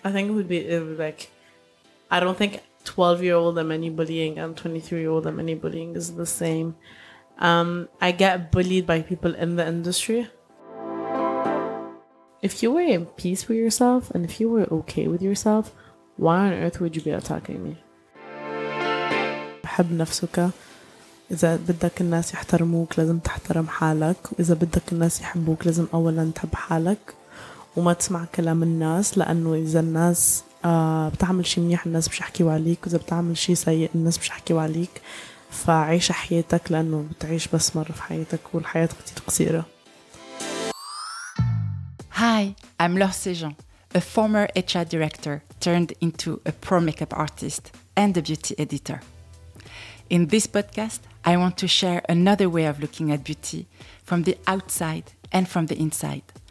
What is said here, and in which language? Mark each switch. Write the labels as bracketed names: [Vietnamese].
[English] I think it would be like, I don't think 12-year-old Ameni bullying and 23-year-old Ameni bullying is the same. I get bullied by people in the industry. If you were in peace with yourself and if you were okay with yourself, why on earth would you be attacking me? [Arabic] حب نفسك إذا بدك الناس يحترموك لازم تحترم حالك وإذا بدك الناس يحبوك لازم أولا تحب حالك وما تسمع كلام الناس لأنه إذا الناس بتعمل شيء منيح الناس مش حكيوا عليك وإذا بتعمل شيء سيء الناس مش حكيوا عليك فعيش حياتك لأنه بتعيش بس مرة في حياتك والحياة كتير قصيرة. [English] Hi, I'm Laure Sejean, a former HR director turned into a pro makeup artist and a beauty editor. In this podcast, I want to share another way of looking at beauty from the outside and from the inside.